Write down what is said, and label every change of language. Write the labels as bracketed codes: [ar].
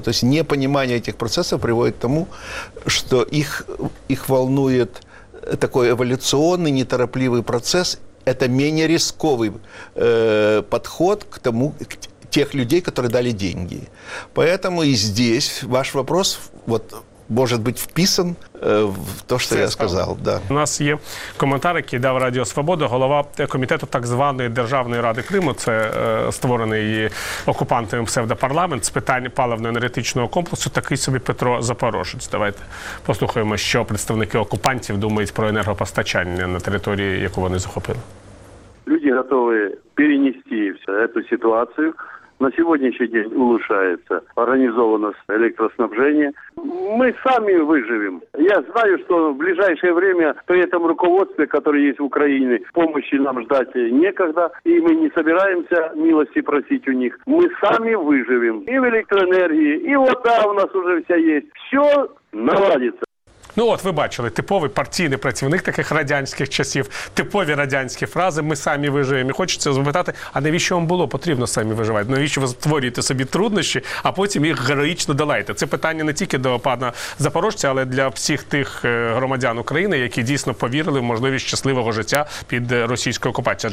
[ru] То есть непонимание этих процессов приводит к тому, что их волнует такой эволюционный, неторопливый процесс. Это менее рисковый подход к тому, к тех людей, которые дали деньги. Поэтому и здесь ваш вопрос вот, может быть, вписан в то, [uk] що я сказав. [ru] Да. [uk] У нас є коментар, який дав Радіо Свобода, голова комітету так званої Державної Ради Криму, це створений окупантами псевдопарламент, з питань паливно-енергетичного комплексу, такий собі Петро Запорожець. Давайте послухаємо, що представники окупантів думають про енергопостачання на території, яку вони захопили. [ru] Люди готові перенести цю ситуацію. На сегодняшний день улучшается организованность электроснабжения. Мы сами выживем. Я знаю, что в ближайшее время при этом руководстве, которое есть в Украине, помощи нам ждать некогда. И мы не собираемся милости просить у них. Мы сами выживем. И в электроэнергии, и вода у нас уже вся есть. Все наладится. [uk] Ну от, ви бачили, типовий партійний працівник таких радянських часів, типові радянські фрази «ми самі виживемо». І хочеться запитати, а навіщо вам було потрібно самі виживати? Навіщо ви створюєте собі труднощі, а потім їх героїчно долаєте? Це питання не тільки до пана Запорожця, але для всіх тих громадян України, які дійсно повірили в можливість щасливого життя під російською окупацією.